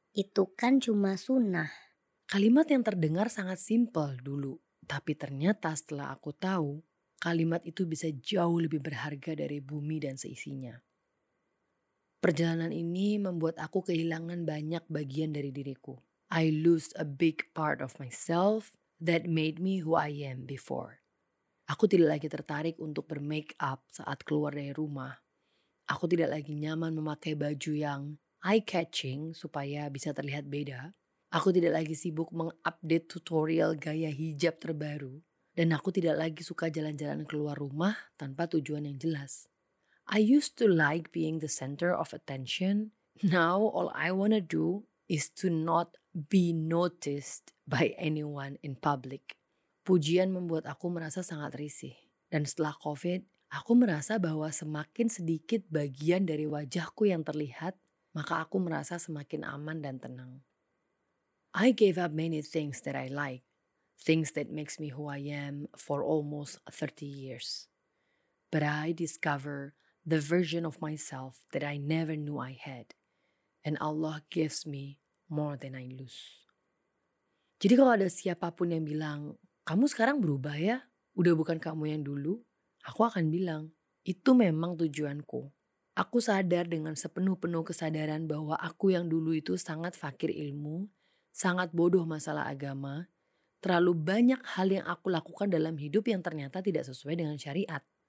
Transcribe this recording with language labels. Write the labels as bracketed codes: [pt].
[id] itu kan cuma sunnah. Kalimat yang terdengar sangat simpel dulu, tapi ternyata setelah aku tahu, kalimat itu bisa jauh lebih berharga dari bumi dan seisinya. Perjalanan ini membuat aku kehilangan banyak bagian dari diriku. [en] I lose a big part of myself that made me who I am before. [id] Aku tidak lagi tertarik untuk bermake up saat keluar dari rumah. Aku tidak lagi nyaman memakai baju yang eye-catching supaya bisa terlihat beda. Aku tidak lagi sibuk mengupdate tutorial gaya hijab terbaru. Dan aku tidak lagi suka jalan-jalan keluar rumah tanpa tujuan yang jelas. [en] I used to like being the center of attention. Now all I wanna do is to not be noticed by anyone in public. [id] Pujian membuat aku merasa sangat risih. Dan setelah COVID, aku merasa bahwa semakin sedikit bagian dari wajahku yang terlihat, maka aku merasa semakin aman dan tenang. [en] I gave up many things that I like. Things that makes me who I am for almost 30 years. But I discover the version of myself that I never knew I had. And Allah gives me more than I lose. [id] Jadi kalau ada siapapun yang bilang, kamu sekarang berubah ya, udah bukan kamu yang dulu, aku akan bilang, itu memang tujuanku. Aku sadar dengan sepenuh-penuh kesadaran bahwa aku yang dulu itu sangat fakir ilmu, sangat bodoh masalah agama, terlalu banyak hal yang aku lakukan dalam hidup yang ternyata tidak sesuai dengan syariat.